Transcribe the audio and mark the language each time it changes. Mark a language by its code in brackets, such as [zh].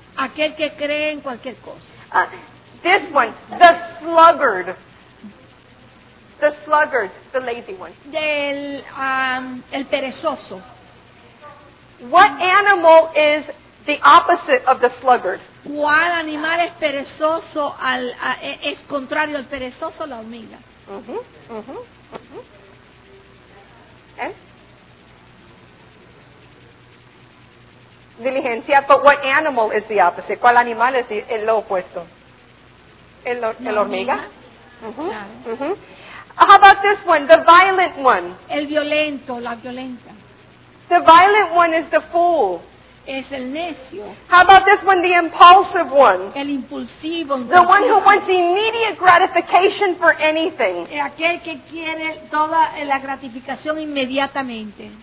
[es] Aquel que cree en cualquier cosa. [en] This one, the sluggard. The sluggard, the lazy one. [es] El perezoso. [en] What animal is the opposite of the sluggard? [es] ¿Cuál animal es perezoso es contrario al perezoso, la hormiga? Mhm. ¿Eh? Diligencia, [en] but what animal is the opposite? [es] ¿Cuál animal es el opuesto? El hormiga. Mhm. [en] Mhm. How about this one, the violent one? [es] El violento, la violenta. [en] The violent one is the fool. [es] Es el necio. [en] How about this one, the impulsive one? [es] El impulsivo. [en] The one who wants immediate gratification for anything. [es] Aquel que quiere toda la gratificación inmediatamente.